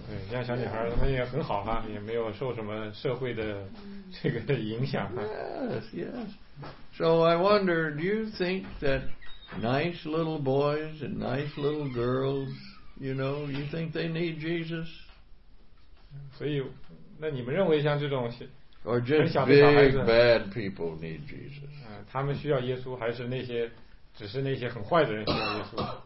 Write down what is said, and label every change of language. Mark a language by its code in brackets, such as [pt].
[zh] 对，像小女孩，她也很好哈，也没有受什么社会的这个影响。 [en] Yes, yes. So I wonder, do you think that nice little boys and nice little girls, you know, you think they need Jesus? [zh] 所以，那你们认为像这种很小的小孩子 [en] ，or just big bad people need Jesus？ [zh] 他们需要耶稣，还是那些只是那些很坏的人需要耶稣